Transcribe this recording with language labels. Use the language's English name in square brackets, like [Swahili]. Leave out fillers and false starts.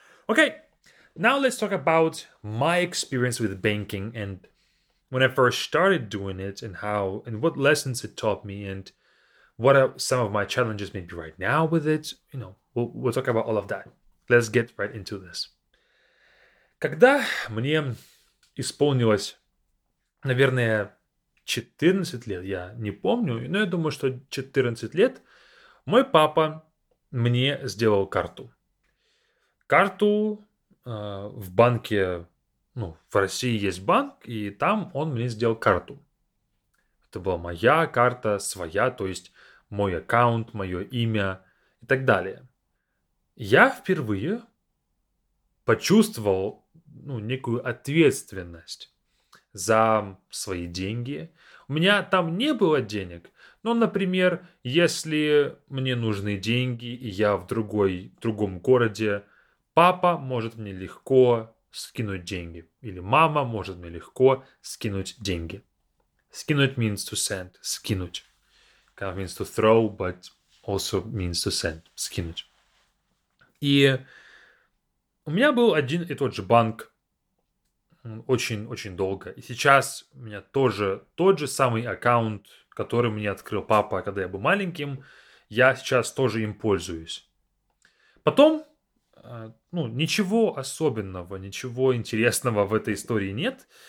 [English] Okay, now let's talk about my experience with banking and when I first started doing it and how and what lessons it taught me and what are some of my challenges maybe right now with it. You know, we'll talk about all of that. Let's get right into this. [Russian] Когда мне исполнилось, наверное, 14 лет, я не помню, но я думаю, что 14 лет, мой папа мне сделал карту. Карту в банке, ну, в России есть банк, и там он мне сделал карту. Это была моя карта, своя, то есть мой аккаунт, мое имя и так далее. Я впервые почувствовал, ну, некую ответственность за свои деньги. У меня там не было денег, но, например, если мне нужны деньги, и я в другом городе, папа может мне легко скинуть деньги, или мама может мне легко скинуть деньги. [English] Скинуть means to send, скинуть. Kind of means to throw, but also means to send, скинуть. [Russian] И у меня был один и тот же банк. Очень-очень долго. И сейчас у меня тоже тот же самый аккаунт, который мне открыл папа, когда я был маленьким. Я сейчас тоже им пользуюсь. Потом, ну, ничего особенного, ничего интересного в этой истории нет.